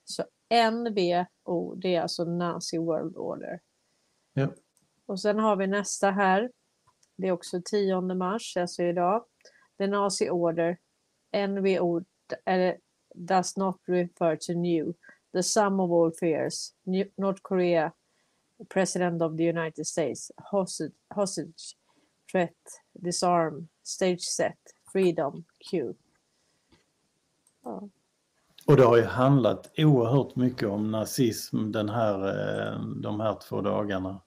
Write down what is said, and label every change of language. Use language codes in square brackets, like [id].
[sv] Så NWO, det är alltså Nazi World Order. Ja. Och sen har vi nästa här. Det är också 10 mars, alltså idag. [en] The Nazi Order, NWO, does not refer to new. The sum of all fears. North Korea President of the United States, hostage, threat, disarm, stage set, freedom, cue. [sv] Ja. Och det har ju handlat oerhört mycket om nazism den här, de här två dagarna.